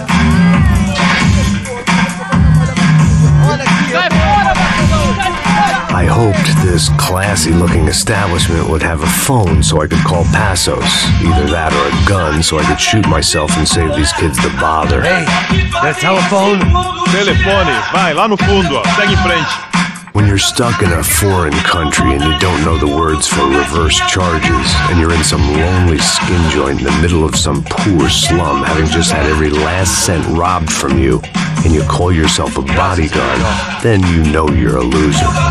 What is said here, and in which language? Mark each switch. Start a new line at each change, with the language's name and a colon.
English: I hoped the this classy-looking establishment would have a phone so I could call Passos. Either that or a gun so I could shoot myself and save these kids the bother. Hey, that telephone?
Portuguese: Telefone, vai, lá no fundo, segue em frente.
English: When you're stuck in a foreign country and you don't know the words for reverse charges, and you're in some lonely skin joint in the middle of some poor slum having just had every last cent robbed from you, and you call yourself a bodyguard, then you know you're a loser.